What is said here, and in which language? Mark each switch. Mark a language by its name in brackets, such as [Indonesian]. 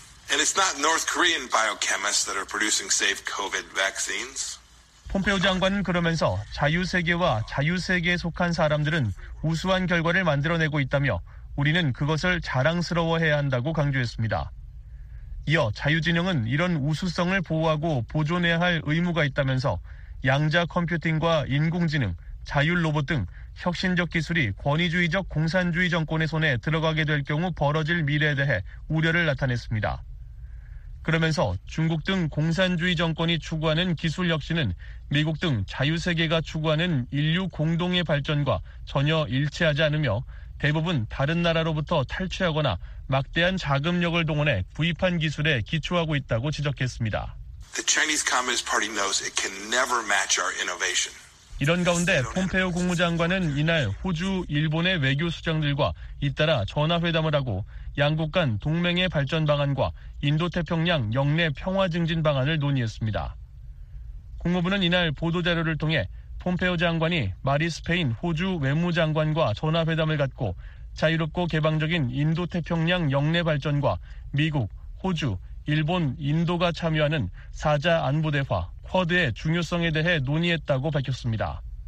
[English] And it's not North Korean biochemists that are producing safe COVID vaccines. [Korean] 폼페오 장관은 그러면서 자유세계와 자유세계에 속한 사람들은 우수한 결과를 만들어내고 있다며 우리는 그것을 자랑스러워해야 한다고 강조했습니다. 이어 자유진영은 이런 우수성을 보호하고 보존해야 할 의무가 있다면서 양자 컴퓨팅과 인공지능, 자율 로봇 등 혁신적 기술이 권위주의적 공산주의 정권의 손에 들어가게 될 경우 벌어질 미래에 대해 우려를 나타냈습니다. 그러면서 중국 등 공산주의 정권이 추구하는 기술 혁신은 미국 등 자유세계가 추구하는 인류 공동의 발전과 전혀 일치하지 않으며 대부분 다른 나라로부터 탈취하거나 막대한 자금력을 동원해 부입한 기술에 기초하고 있다고 지적했습니다. [English] The Chinese Communist Party knows it can never match our innovation. [Korean] 이런 가운데 폼페오 국무장관은 이날 호주, 일본의 외교 수장들과 잇따라 전화회담을 하고 양국 간 동맹의 발전 방안과 인도태평양 역내 평화 증진 방안을 논의했습니다. 국무부는 이날 보도자료를 통해 폼페오 장관이 마리 스페인 호주 외무장관과 전화회담을 갖고 자유롭고 개방적인 인도태평양 역내 발전과 미국, 호주, 일본, 인도가 참여하는 4자 안보대화, 쿼드의 중요성에 대해 논의했다고 밝혔습니다.